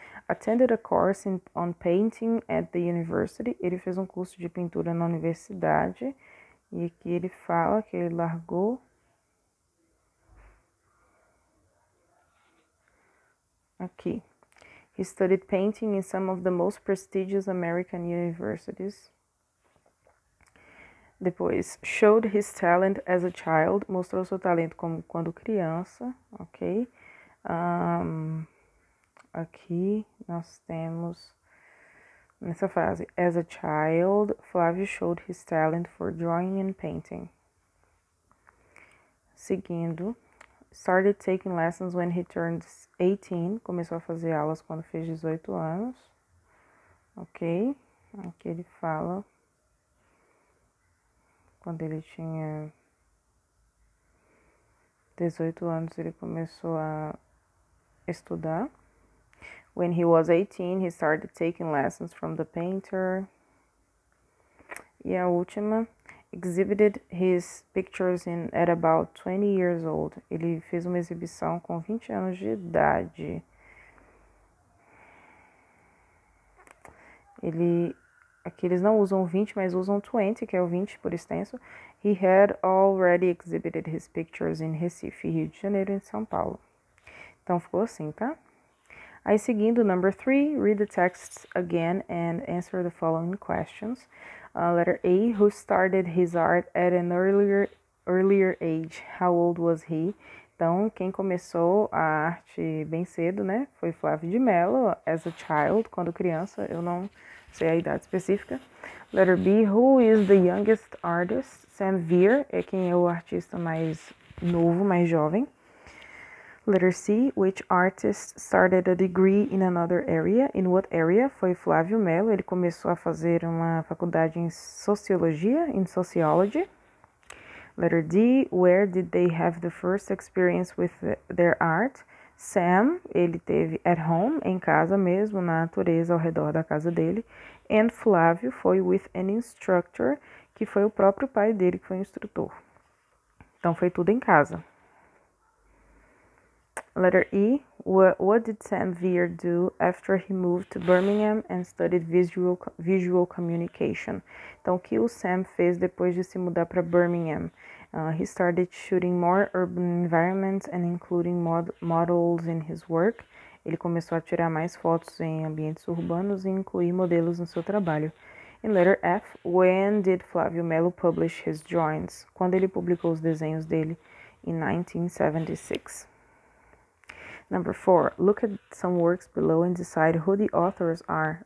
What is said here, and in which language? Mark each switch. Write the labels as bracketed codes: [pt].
[en] Attended a course on painting at the university. [pt] Ele fez um curso de pintura na universidade. E aqui ele fala que ele largou. Aqui. [en] He studied painting in some of the most prestigious American universities. [pt] Depois, [en] showed his talent as a child. [pt] Mostrou seu talento como quando criança, ok? Aqui nós temos, nessa frase, [en] as a child, Flávio showed his talent for drawing and painting. [pt] Seguindo, [en] started taking lessons when he turned 18. [pt] Começou a fazer aulas quando fez 18 anos. Ok? Aqui ele fala, quando ele tinha 18 anos, ele começou a estudar. [en] When he was 18, he started taking lessons from the painter. [pt] E a última, [en] exhibited his pictures in at about 20 years old. [pt] Ele fez uma exibição com 20 anos de idade. Aqui eles não usam 20, mas usam 20, que é o 20 por extenso. [en] He had already exhibited his pictures in Recife, Rio de Janeiro e São Paulo. [pt] Então, ficou assim, tá? Aí, seguindo, [en] number 3, read the texts again and answer the following questions. Letter A, who started his art at an earlier age? How old was he? [pt] Então, quem começou a arte bem cedo, né? Foi Flávio de Mello, [en] as a child, [pt] quando criança. Eu não sei a idade específica. [en] Letter B, who is the youngest artist? [pt] Sam Veer é quem é o artista mais novo, mais jovem. [en] Letter C, which artist started a degree in another area? In what area? [pt] Foi Flávio Mello, ele começou a fazer uma faculdade em sociologia, [en] in sociology. Letter D, where did they have the first experience with their art? [pt] Sam, ele teve [en] at home, [pt] em casa mesmo, na natureza, ao redor da casa dele. And Flávio foi [en] with an instructor, [pt] que foi o próprio pai dele, que foi o instrutor. Então, foi tudo em casa. [en] Letter E, what did Sam Veer do after he moved to Birmingham and studied visual communication? [pt] Então, o que o Sam fez depois de se mudar para Birmingham? [en] He started shooting more urban environments and including models in his work. [pt] Ele começou a tirar mais fotos em ambientes urbanos e incluir modelos no seu trabalho. [en] And letter F, when did Flávio Mello publish his drawings? [pt] Quando ele publicou os desenhos dele? [en] In 1976. Number 4, look at some works below and decide who the authors are.